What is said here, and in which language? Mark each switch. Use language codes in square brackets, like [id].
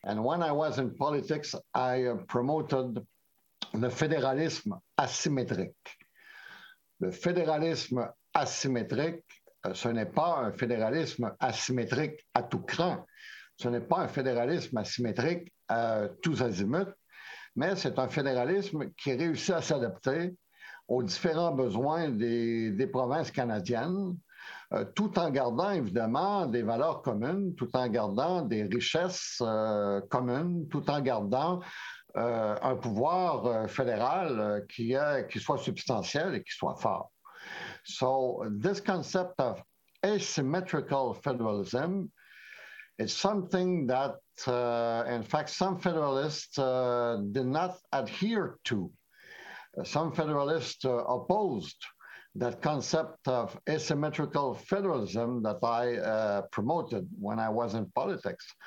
[en] And when I was in politics, I promoted the fédéralisme asymétrique. [fr] The fédéralisme asymétrique, ce n'est pas un fédéralisme asymétrique à tout cran. Ce n'est pas un fédéralisme asymétrique à tous azimuts, mais c'est un fédéralisme qui réussit à s'adapter aux différents besoins des provinces canadiennes, tout en gardant évidemment des valeurs communes, tout en gardant des richesses communes, tout en gardant un pouvoir fédéral qui soit substantiel et qui soit fort. [en] So this concept of asymmetrical federalism is something that, in fact, some federalists did not adhere to. Some federalists opposed that concept of asymmetrical federalism that I promoted when I was in politics.